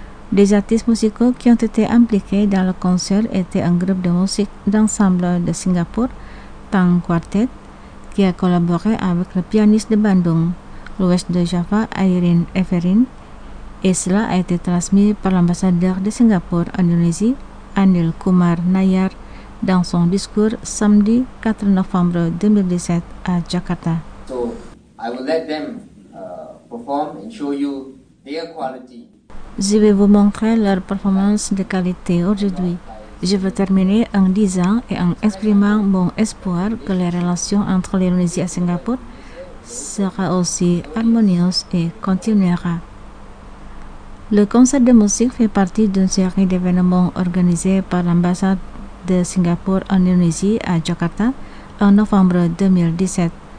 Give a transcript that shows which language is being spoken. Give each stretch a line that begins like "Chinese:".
French: Des artistes musicaux qui ont été impliqués dans le concert étaient un groupe de musique d'ensemble de Singapour, Tang Quartet, qui a collaboré avec le pianiste de Bandung, Louis de Java, Irene Everin, et cela a été transmis par l'ambassadeur de Singapour en Indonésie, Anil Kumar Nayar, dans son discours samedi 4 novembre 2017 à Jakarta.
English: So, I will let them perform and show you their quality.
French: Je vais vous montrer leur performance de qualité aujourd'hui. Je veux terminer en disant et en exprimant mon espoir que les relations entre l'Indonésie et Singapour sera aussi harmonieuse et continuera. Le concert de musique fait partie d'une série d'événements organisés par l'ambassade de Singapour en Indonésie à Jakarta en novembre 2017.